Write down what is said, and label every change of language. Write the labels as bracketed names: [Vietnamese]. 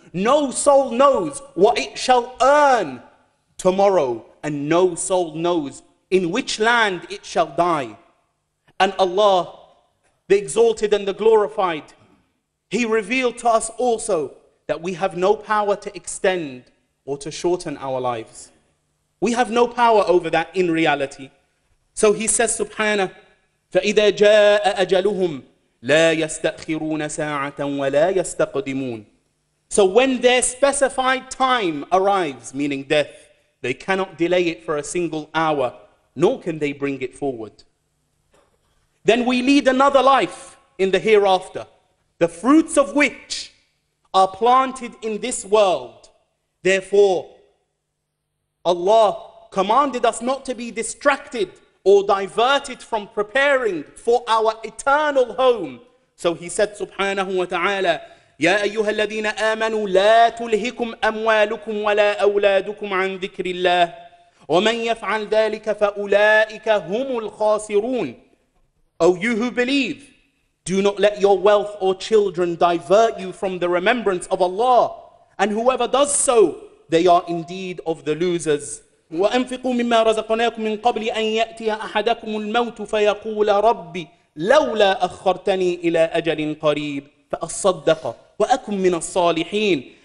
[English] No soul knows what it shall earn tomorrow, and no soul knows in which land it shall die. And Allah, the Exalted and the Glorified, He revealed to us also that we have no power to extend or to shorten our lives. We have no power over that in reality. [Arabic] So he says, Subhana, فَإِذَا جَاءَ أَجَلُهُمْ لَا يَسْتَأْخِرُونَ سَاعَةً وَلَا يَسْتَقْدِمُونَ. [English] So when their specified time arrives, meaning death, they cannot delay it for a single hour, nor can they bring it forward. Then we lead another life in the hereafter, the fruits of which are planted in this world. Therefore, Allah commanded us not to be distracted or diverted from preparing for our eternal home. [Arabic] So he said, Subhanahu wa ta'ala, يَا أَيُّهَا الَّذِينَ آمَنُوا لَا تُلْهِكُمْ أَمْوَالُكُمْ وَلَا أَوْلَادُكُمْ عَنْ ذِكْرِ اللَّهِ وَمَنْ يَفْعَلْ ذَلِكَ فَأُولَٰئِكَ هُمُ الْخَاسِرُونَ. [English] O you who believe, do not let your wealth or children divert you from the remembrance of Allah. And whoever does so, they are indeed of the losers. [Arabic] وَأَنْفِقُوا مِمَّا رَزَقْنَاكُمْ مِنْ قَبْلِ أَنْ يَأْتِيَ أَحَدَكُمُ الْمَوْتُ فَيَقُولَ رَبِّ لَوْلَا أَخَّرْتَنِي إِلَىٰ أَجَلٍ قَرِيبٍ فَأَصَّدَّقَ وَأَكُمْ مِنَ الصَّالِحِينَ.